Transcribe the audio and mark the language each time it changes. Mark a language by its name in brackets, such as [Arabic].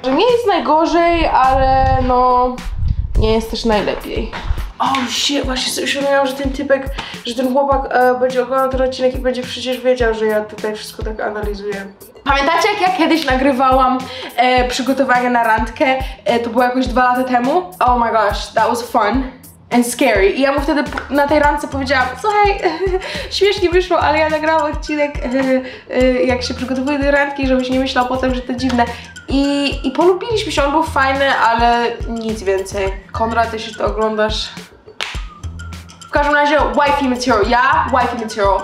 [Polish] Nie jest najgorzej, ale no, nie jest też najlepiej. O, się, właśnie sobie uświadomiłam, że ten typek, że ten chłopak będzie oglądał ten odcinek i będzie przecież wiedział, że ja tutaj wszystko tak analizuję. Pamiętacie, jak ja kiedyś nagrywałam przygotowanie na randkę? To było jakoś 2 lata temu. [English] Oh my gosh, that was fun and scary. [Polish] I ja mu wtedy na tej randce powiedziałam, słuchaj, śmiesznie wyszło, ale ja nagrałam odcinek, jak się przygotowuję do randki, żebyś nie myślał potem, że to dziwne. I polubiliśmy się, on był fajny, ale nic więcej. Konrad, jeśli to oglądasz... W każdym razie, [English] wifey material, [Polish] ja, wifey material.